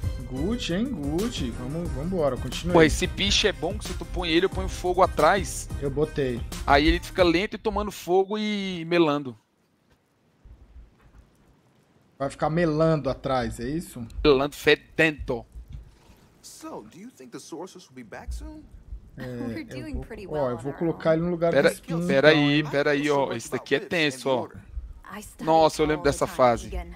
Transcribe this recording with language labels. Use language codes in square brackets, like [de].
[pt] Good, hein, good. Vambora, continua. Pô, esse piche é bom que se tu põe ele, eu ponho fogo atrás. Eu botei. Aí ele fica lento e tomando fogo e melando. Vai ficar melando atrás, é isso? Melando fedento. [en] So, do you think the sorceress will be back soon? [pt] Ó, eu vou colocar ele no lugar pera, do espinho. Peraí, peraí, ó. Esse daqui é tenso, ó. Nossa, eu lembro dessa fase.